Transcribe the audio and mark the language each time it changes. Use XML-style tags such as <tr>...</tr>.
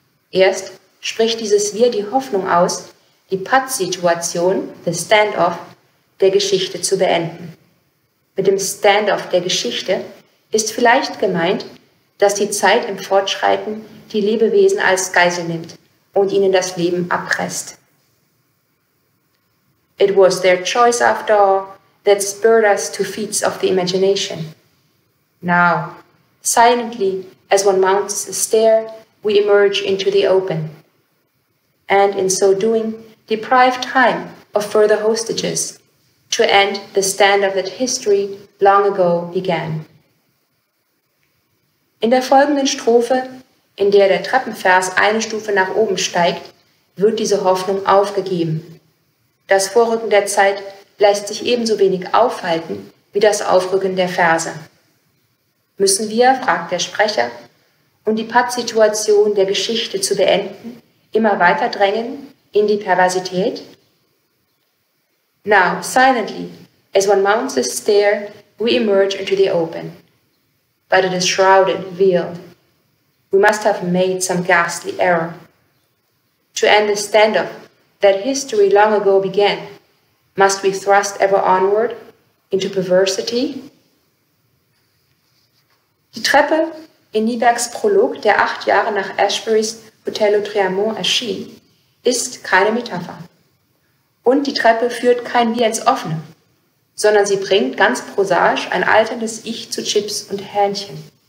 <de>Erst spricht dieses Wir die Hoffnung aus, die Pattsituation, the Standoff, der Geschichte zu beenden. Mit dem Standoff der Geschichte ist vielleicht gemeint, dass die Zeit im Fortschreiten die Lebewesen als Geisel nimmt und ihnen das Leben abpresst.</de> <en>It was their choice after all that spurred us to feats of the imagination. Now, silently, as one mounts a stair, we emerge into the open. And in so doing, deprive time of further hostages to end the standoff that history long ago began.</en> <de>In der folgenden Strophe, in der der Treppenvers eine Stufe nach oben steigt, wird diese Hoffnung aufgegeben. Das Vorrücken der Zeit lässt sich ebenso wenig aufhalten wie das Aufrücken der Verse. Müssen wir, fragt der Sprecher, um die Pattsituation der Geschichte zu beenden, immer weiter drängen in die Perversität?</de> <en>Now, silently, as one mounts the stair, we emerge into the open. But it is shrouded, veiled. We must have made some ghastly error. To end the standoff that history long ago began, must we thrust ever onward into perversity?</en> <de>Die Treppe in Niebergs Prolog, der 8 Jahre nach Ashburys Hotel Lautréamont erschien, ist keine Metapher. Und die Treppe führt kein Wir ins Offene, sondern sie bringt ganz prosaisch ein alterndes Ich zu Chips und Hähnchen.</de>